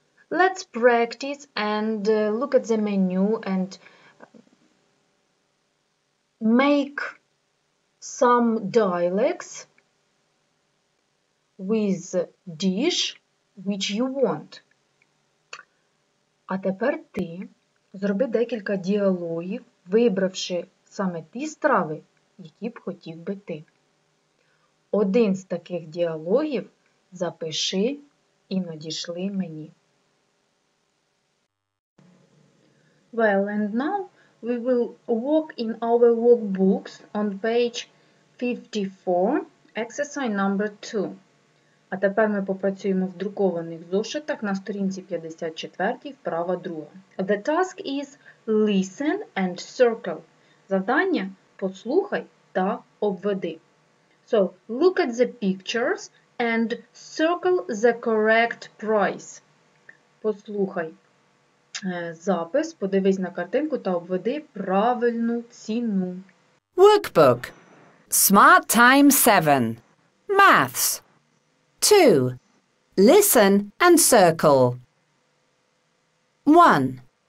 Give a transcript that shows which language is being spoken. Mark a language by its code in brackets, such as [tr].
[en] Let's practice and look at the menu and make some dialogues with dish which you want. [uk] А тепер ти зроби декілька діалогів, вибравши саме ті страви, які б хотів би ти. Один з таких діалогів запиши і надішли мені. [en] Well, and now we will work in our workbooks on page 54, exercise number 2. [uk] А тепер ми попрацюємо в друкованих зошитах на сторінці 54, вправа 2. [en] The task is listen and circle. [uk] Завдання – послухай та обведи. [en] So, look at the pictures and circle the correct price. [uk] Послухай запис, подивись на картинку та обведи правильну ціну. [en] Workbook. Smart Time 7. Maths. 2. Listen and circle. 1.